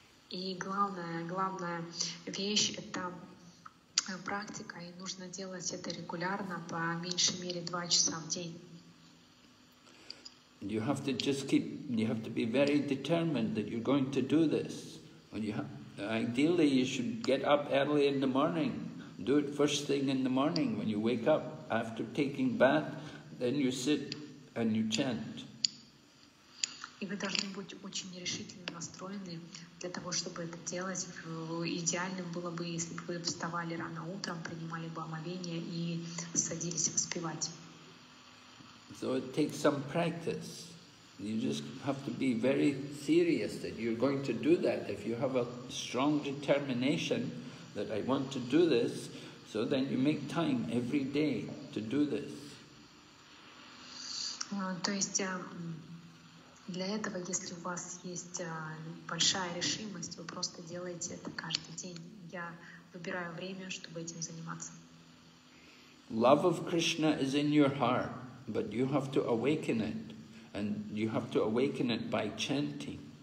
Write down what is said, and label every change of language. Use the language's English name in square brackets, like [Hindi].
[Russian] И главная вещь — это практика, и нужно делать это регулярно, по меньшей мере 2 часа в день. [English] You have to just keep, you have to be very determined that you're going to do this. When you ideally, you should get up early in the morning. Do it first thing in the morning when you wake up. After taking bath, then you sit and you chant. [Russian] И вы должны быть очень нерешительно настроены для того, чтобы это делать. Идеальным было бы, если бы вы вставали рано утром, принимали бы омовение и садились воспевать. [English] So it takes some practice. You just have to be very serious that you're going to do that. If you have a strong determination that I want to do this, so then you make time every day to do this. [Russian] То есть для этого, если у вас есть большая решимость, вы просто делаете это каждый день. Я выбираю время, чтобы этим заниматься. [English] Love of Krishna is in your heart, but you have to awaken it. And you have to awaken it by chanting.